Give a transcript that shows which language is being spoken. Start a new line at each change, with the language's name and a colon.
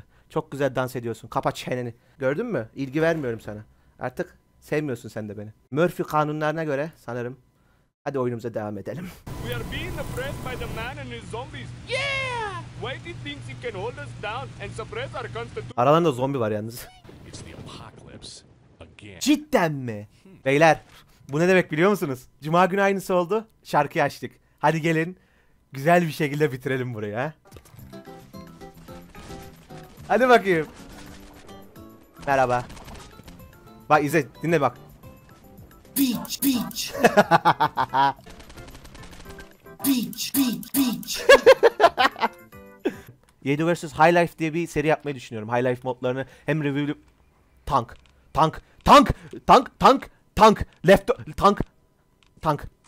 Turkish: Çok güzel dans ediyorsun. Kapa çeneni. Gördün mü? İlgi vermiyorum sana. Artık sevmiyorsun sen de beni. Murphy kanunlarına göre sanırım. Hadi oyunumuza devam edelim.
English: We are being oppressed by the man and his zombies. Yeah! Why do you think he can hold us down and suppress our constitution?
Turkish: Aralarında zombi var yalnız.
English: It's the apocalypse again.
Turkish: Cidden mi? Beyler, bu ne demek biliyor musunuz? Cuma günü aynısı oldu. Şarkıyı açtık. Hadi gelin. Güzel bir şekilde bitirelim burayı ha. Hadi bakayım. Merhaba. Bak izle, dinle bak.
English: Beach, beach. Beach, beach, beach.
Turkish: Yedi vs. High Life diye bir seri yapmayı düşünüyorum. High Life modlarını hem review'lü...
English: Tank, tank, tank, tank, tank, tank, left, tank, tank.